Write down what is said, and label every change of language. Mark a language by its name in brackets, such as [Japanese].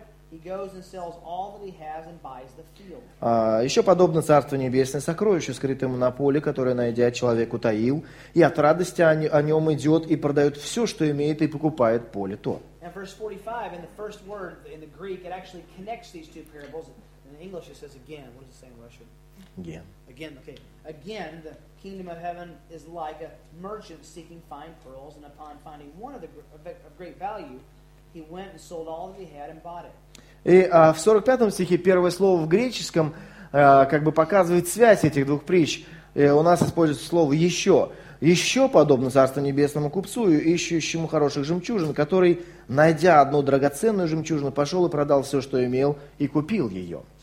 [English] He goes and sells all that he has and buys the field. [Russian] Еще подобно Царству Небесное, сокровищу, скрытому на поле, которое, найдя, человек утаил, и от радости о нем идет и продает все, что имеет, и покупает поле то. [English] And verse 45, in the first word in the Greek, it actually connects these two parables. In English it says again. What does it say in Russian? Again. Again, okay. Again, the kingdom of heaven is like a merchant seeking fine pearls, and upon finding one of great value, he went and sold all that he had and bought it. [Russian] И в 45 стихе первое слово в греческом как бы показывает связь этих двух притч. У нас используется слово «еще». «Еще подобно Царству Небесному купцу, ищущему хороших жемчужин, который, найдя одну драгоценную жемчужину, пошел и продал все, что имел, и купил ее».